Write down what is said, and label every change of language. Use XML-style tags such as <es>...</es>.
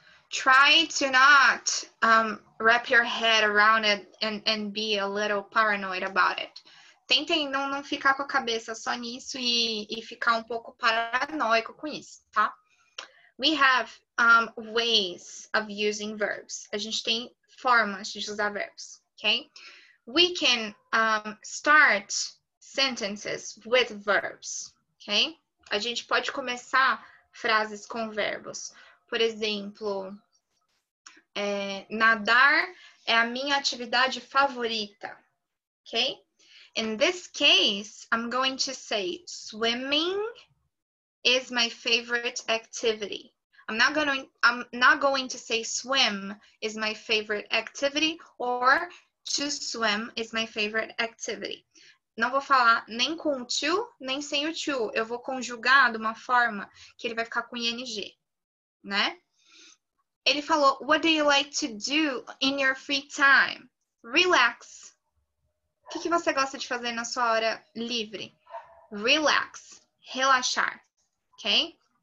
<en>Try to not wrap your head around it and be a little paranoid about it.</en> <pt>Tentem não ficar com a cabeça só nisso e ficar um pouco paranoico com isso, tá?</pt> <en>We have ways of using verbs.</en> <pt>A gente tem formas de usar verbs, okay?</pt> <en>We can start sentences with verbs, okay?</en> <pt>A gente pode começar frases com verbos. Por exemplo, nadar é a minha atividade favorita, ok?</pt> <en>In this case, I'm going to say swimming is my favorite activity. I'm not going to say swim is my favorite activity or to swim is my favorite activity.</en> <pt>Não vou falar nem com o to, nem sem o to. Eu vou conjugar de uma forma que ele vai ficar com ing, né? Ele falou,</pt> <en>what do you like to do in your free time? Relax.</en> <pt>O que você gosta de fazer na sua hora livre? Relax. Relaxar. Ok?</pt>